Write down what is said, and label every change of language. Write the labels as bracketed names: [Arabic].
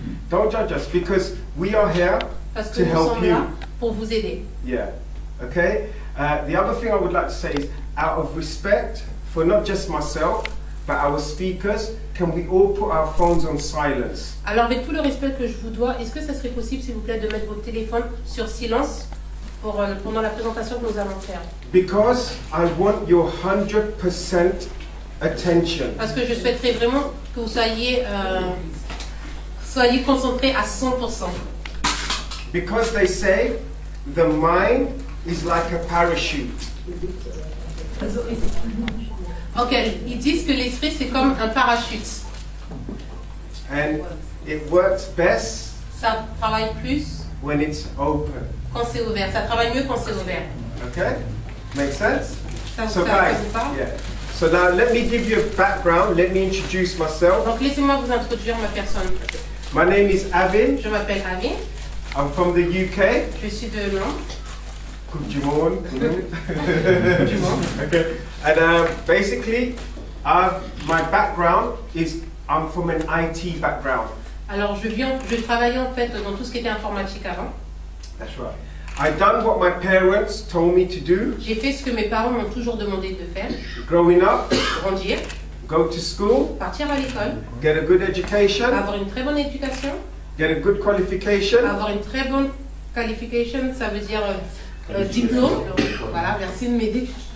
[English] Don't judge us because we are here to help you. [French] Parce que nous sommes là pour vous aider. [English] Yeah. Okay. The other thing I would like to say is, out of respect for not just myself but our speakers, can we all put our phones on silence? [French] Alors, avec tout le respect que je vous dois, est-ce que ça serait possible, s'il vous plaît, de mettre vos téléphones sur silence pour, pendant la présentation que nous allons faire? [English] Because I want your 100% attention. [French] Parce que je souhaiterais vraiment que vous soyez, soyez concentrés à 100%. [English] Because they say the mind is like a parachute. [French] Ok, ils disent que l'esprit c'est comme un parachute. [English] And it works best. [French] Ça travaille plus. [English] When it's open. [French] Quand c'est ouvert, ça travaille mieux quand c'est ouvert. [English] Okay, makes sense. [French] Ça vous fait un peu. [English] Yeah. So now let me give you a background. Let me introduce myself. [French] Donc laissez-moi vous introduire ma personne. [English] My name is Avin. [French] Je m'appelle Avin. [English] I'm from the UK. [French] Je suis de Londres. [English] Good morning. Good morning. Okay. And basically, my background is I'm from an IT background. [French] Alors, je travaillais en fait dans tout ce qui était informatique avant. [English] That's right. I've done what my parents told me to do. [French] J'ai fait ce que mes parents m'ont toujours demandé de faire. [English] Growing up. [French] Grandir. [English] Go to school. [French] Partir à l'école. [English] Get a good education. [French] Avoir une très bonne éducation. [English] Get a good qualification. [French] Avoir une très bonne qualification, ça veut dire diplôme, voilà, merci de m'aider.